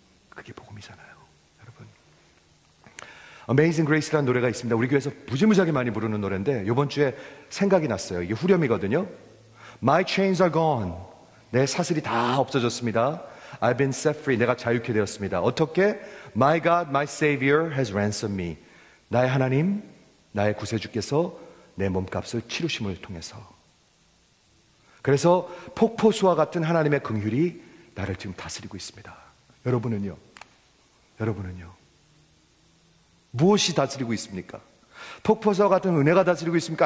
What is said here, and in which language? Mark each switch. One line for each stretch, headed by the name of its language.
Korean: 그게 복음이잖아요, 여러분. Amazing Grace라는 노래가 있습니다. 우리 교회에서 무지무지하게 많이 부르는 노래인데 이번 주에 생각이 났어요. 이게 후렴이거든요.
English: My chains are gone.
Korean: 내 사슬이 다 없어졌습니다.
English: I've been set free.
Korean: 내가 자유케 되었습니다. 어떻게?
English: My God, my Savior has ransomed me.
Korean: 나의 하나님, 나의 구세주께서 내 몸값을 치루심을 통해서. 그래서 폭포수와 같은 하나님의 긍휼이 나를 지금 다스리고 있습니다. 여러분은요? 여러분은요? 무엇이 다스리고 있습니까? 폭포수와 같은 은혜가 다스리고 있습니까?